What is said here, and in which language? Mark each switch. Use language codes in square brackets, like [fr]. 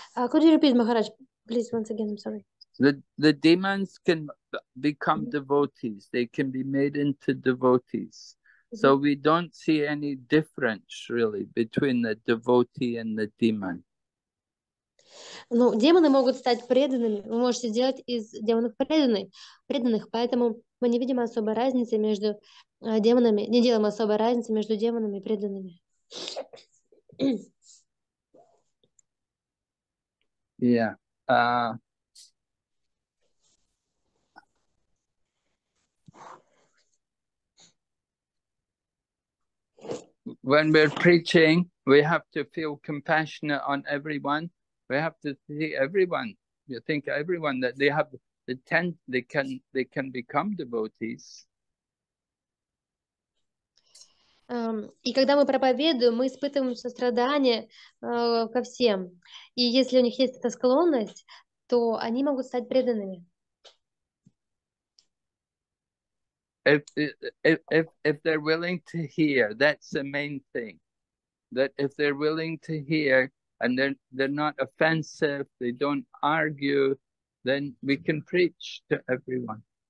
[en] Could you repeat, Maharaj, please, once again? I'm sorry. The demons can become devotees. They can be made into devotees. So we don't see any difference, really, between the devotee and the demon. [ru] Ну, демоны могут стать преданными. Вы можете сделать из демонов преданных. Поэтому мы не видим особой разницы между демонами. Не делаем особой разницы между демонами и преданными. [en] Yeah. When we're preaching, we have to feel compassionate on everyone. We have to see everyone. You think everyone that they have the tent, they can become devotees. [ru] И когда мы проповедуем, мы испытываем сострадание ко всем. И если у них есть эта склонность, то они могут стать преданными. [en] If they're willing to hear, that's the main thing. That if they're willing to hear and they're not offensive, they don't argue, then we can preach to everyone.